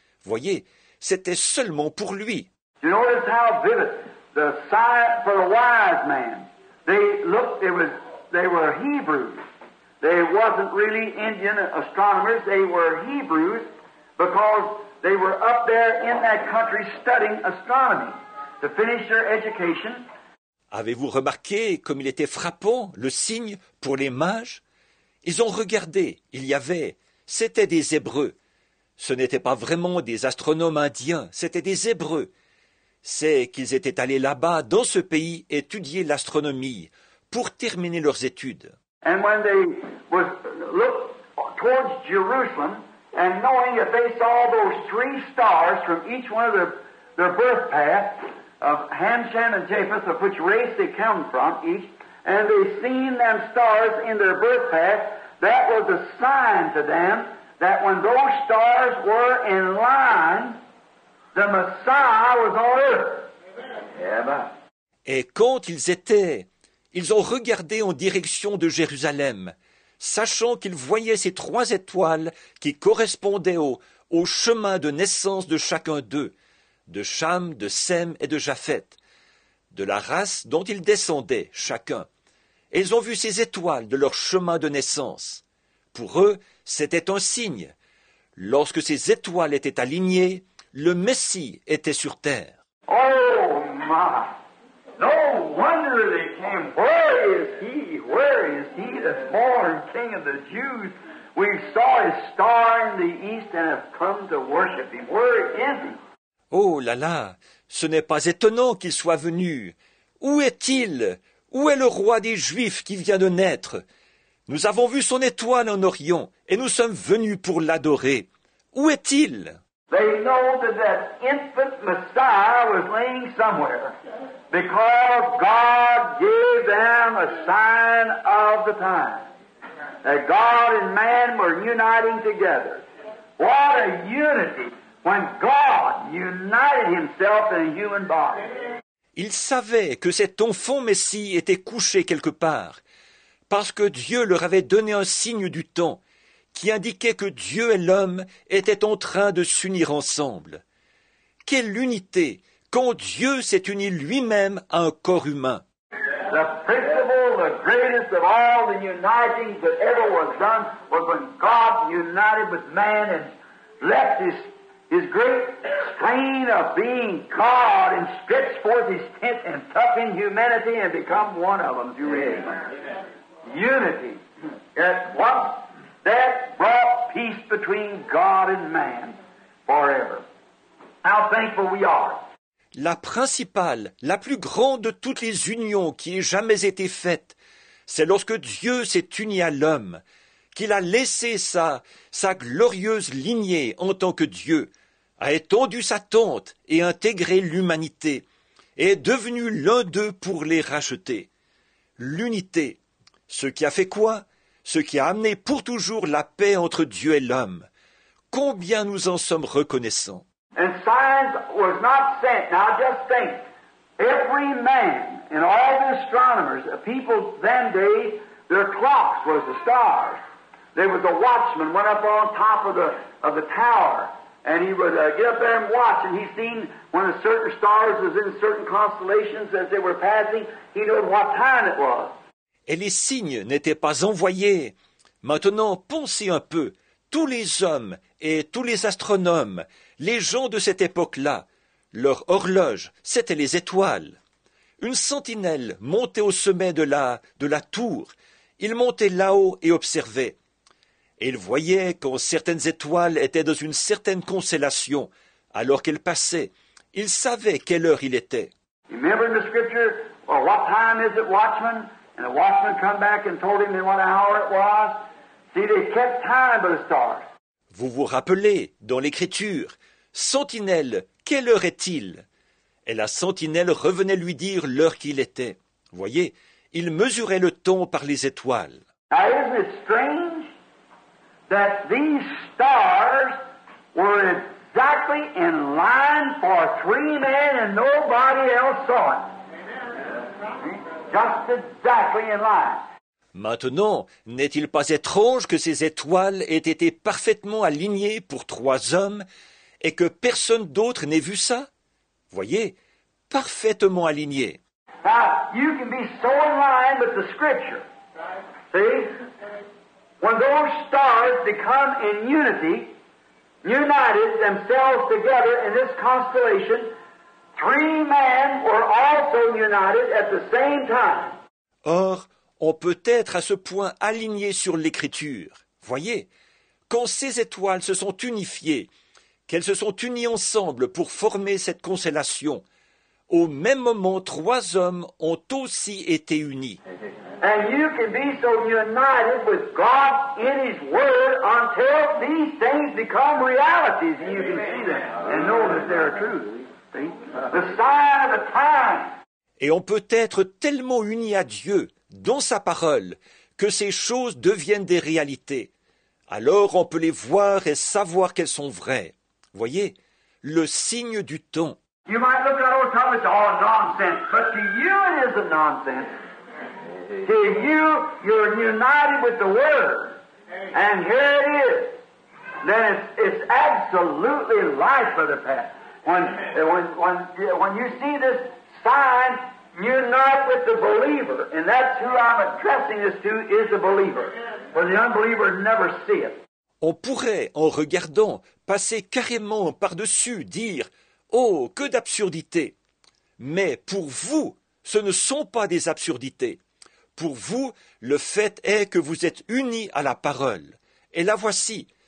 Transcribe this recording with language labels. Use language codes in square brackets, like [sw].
[fr] Voyez, c'était seulement pour lui. [en] You notice how vivid the sight for the wise man. They looked, they were Hebrews. They wasn't really Indian astronomers, they were Hebrews, because they were up there in that country studying astronomy to finish their education. [fr] Avez-vous remarqué comme il était frappant le signe pour les mages? Ils ont regardé, il y avait, c'était des Hébreux. Ce n'étaient pas vraiment des astronomes indiens, c'étaient des Hébreux. C'est qu'ils étaient allés là-bas, dans ce pays, étudier l'astronomie, pour terminer leurs études. [en] And when they looked towards Jerusalem, and knowing that they saw those three stars from each one of their birth paths, of Ham, Shem, and Japheth, of which race they come from, each, and they seen them stars in their birth path, that was a sign to them that when those stars were in line, the Messiah was on earth. Amen. [fr] Et quand ils étaient, ils ont regardé en direction de Jérusalem, sachant qu'ils voyaient ces trois étoiles qui correspondaient au chemin de naissance de chacun d'eux, de Cham, de Sem et de Japheth, de la race dont ils descendaient chacun. Et ils ont vu ces étoiles de leur chemin de naissance. Pour eux, c'était un signe. Lorsque ces étoiles étaient alignées, le Messie était sur terre. [en] Oh, my! No wonder they came. Where is he? Where is he, the born King of the Jews? We saw his star in the east and have come to worship him. Where is he? [fr] Oh là là, ce n'est pas étonnant qu'il soit venu. Où est-il? Où est le roi des Juifs qui vient de naître? Nous avons vu son étoile en Orient et nous sommes venus pour l'adorer. Où est-il? [en] They know that that infant Messiah was laying somewhere because God gave them a sign of the time that God and man were uniting together. What a unity when God united himself in a human body. [fr] Ils savaient que cet enfant Messie était couché quelque part parce que Dieu leur avait donné un signe du temps qui indiquait que Dieu et l'homme étaient en train de s'unir ensemble. Quelle unité quand Dieu s'est uni lui-même à un corps humain. [en] The principle, the greatest of all the uniting that ever was done was when God united with man and left his great strain of being God and stretched forth his tent and took in humanity and become one of them. Unity. Unity. That brought peace between God and man forever. How thankful we are. [fr] La principale, la plus grande de toutes les unions qui aient jamais été faites, c'est lorsque Dieu s'est uni à l'homme, qu'il a laissé sa glorieuse lignée en tant que Dieu, a étendu sa tente et intégré l'humanité, et est devenu l'un d'eux pour les racheter. L'unité, ce qui a fait quoi? Ce qui a amené pour toujours la paix entre Dieu et l'homme. Combien nous en sommes reconnaissants. [en] And signs was not sent. Now just think, every man and all the astronomers, the people then day, their clocks was the stars. There was a watchman went up on top of the tower, and he would get up there and watch, and he seen when a certain stars was in certain constellations as they were passing, he knew what time it was. [fr] Et les signes n'étaient pas envoyés. Maintenant, pensez un peu. Tous les hommes et tous les astronomes, les gens de cette époque-là, leur horloge, c'était les étoiles. Une sentinelle montait au sommet de la tour. Il montait là-haut et observait. Et il voyait quand certaines étoiles étaient dans une certaine constellation, alors qu'elles passaient. Il savait quelle heure il était. [en] Remember in the scripture, or what time is it, watchman? And the watchman come back and told him in what hour it was. See, they kept time by the stars. [fr] Vous vous rappelez, dans l'Écriture, sentinelle, quelle heure est-il? Et la sentinelle revenait lui dire l'heure qu'il était. Voyez, il mesurait le temps par les étoiles. [en] Now, isn't it strange that these stars were exactly in line for three men and nobody else saw it? Just exactly in line. [fr] Maintenant, n'est-il pas étrange que ces étoiles aient été parfaitement alignées pour trois hommes et que personne d'autre n'ait vu ça? Voyez, parfaitement alignées. [en] Now, you can be so in line with the scripture. See? When those stars become in unity, united themselves together in this constellation, three men were also united at the same time. [fr] Or, on peut être à ce point aligné sur l'Écriture. Voyez, quand ces étoiles se sont unifiées, qu'elles se sont unies ensemble pour former cette constellation, au même moment, trois hommes ont aussi été unis. [en] And you can be so united with God in His Word until these things become realities, and you can see them and know that they are true. The sign of the time. [fr] Et on peut être tellement uni à Dieu dans sa parole, que ces choses deviennent des réalités. Alors on peut les voir et savoir qu'elles sont vraies. Voyez, le signe du temps. [en] You might look at old Thomas, oh, nonsense, but to you it is a nonsense. To you, you're united with the Word. And here it is. Then it's absolutely life for the past. When you see this sign, unite with the believer, and that's who I'm addressing this to, is the believer. For the unbeliever never see it. [fr] On pourrait, en regardant, passer carrément par-dessus, dire, oh, que d'absurdité. Mais pour vous, ce ne sont pas des absurdités. Pour vous, le fait est que vous êtes unis à la parole. Et la voici.